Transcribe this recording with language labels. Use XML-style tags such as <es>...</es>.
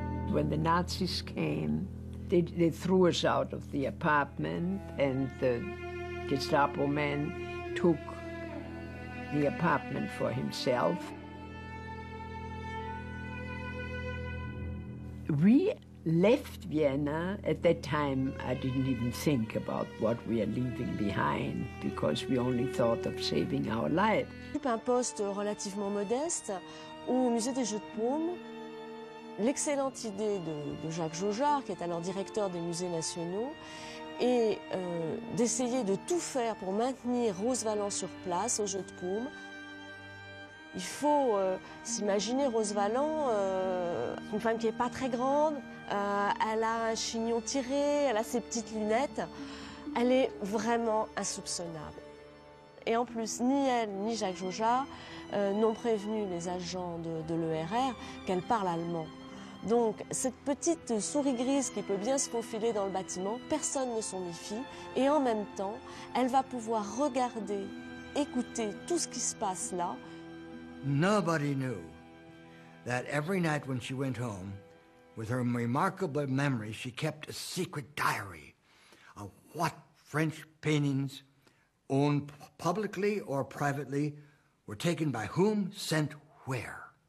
<en>When the Nazis came, they threw us out of the apartment, and the Gestapo man took the apartment for himself. We left Vienna. At that time, I didn't even think about what we are leaving behind because we only thought of saving our life.</en> <fr>Un poste relativement modeste au musée des Jeux de Paume. L'excellente idée de Jacques Jaujard, qui est alors directeur des musées nationaux, est d'essayer de tout faire pour maintenir Rose Vallant sur place aux Jeux de Paume. Il faut s'imaginer Rose Vallant, une femme qui n'est pas très grande, elle a un chignon tiré, elle a ses petites lunettes. Elle est vraiment insoupçonnable. Et en plus, ni elle ni Jacques Jaujard n'ont prévenu les agents de l'ERR qu'elle parle allemand. Donc cette petite souris grise qui peut bien se faufiler dans le bâtiment, personne ne s'en méfie. Et en même temps, elle va pouvoir regarder, écouter tout ce qui se passe là.</fr> <en>Nobody knew that every night when she went home, with her remarkable memory, she kept a secret diary of what French paintings owned publicly or privately, were taken by whom, sent where.</en>